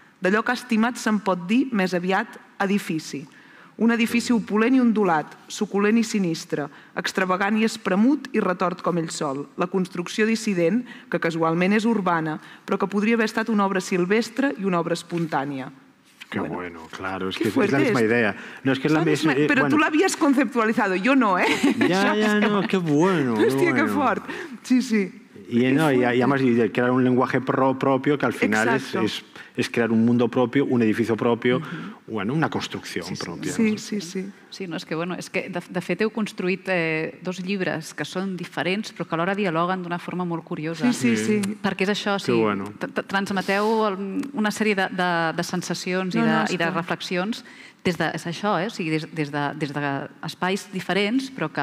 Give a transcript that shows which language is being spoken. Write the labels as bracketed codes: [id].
[ca] D'allò que ha estimat se'n pot dir, més aviat, edifici. Un edifici opulent i ondulat, suculent i sinistre, extravagant i espremut i retort com ell sol. La construcció dissident, que casualment és urbana, però que podria haver estat una obra silvestre i una obra espontània. [es] Qué bueno, claro, es que es la misma idea. No, es que es la misma, pero bueno. Tú la habías conceptualizado, yo no, ¿eh? Ya, no, qué bueno. Hostia, bueno. [ca] Qué fort. Sí, sí. [es] Y, no, y además y crear un lenguaje propio que al final es crear un mundo propio, un edificio propio, uh-huh. Bueno, una construcción propia. Sí, sí, sí. [ca] Sí, no, és que, bueno, és que de fet heu construït dos llibres que són diferents però que alhora dialoguen d'una forma molt curiosa. Sí, sí, sí. Perquè és això, sí, bueno. Transmeteu una sèrie de sensacions i de reflexions des de, és això, o sigui, des de espais diferents però que...